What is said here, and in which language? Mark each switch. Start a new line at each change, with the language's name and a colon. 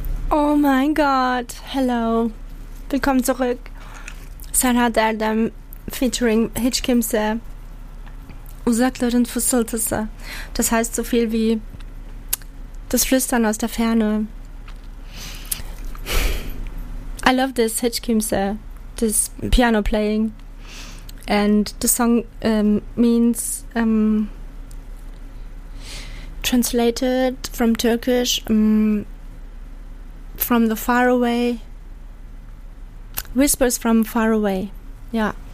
German: Oh mein Gott, hello, willkommen zurück.
Turkish: Serhat Erdem featuring Hiç Kimse, Uzakların Fısıltısı.
German: Das heißt so viel wie das Flüstern aus der Ferne.
English: I love this hiç kimse, this piano playing, and the song means translated from Turkish, from the far away, whispers from far away. Yeah.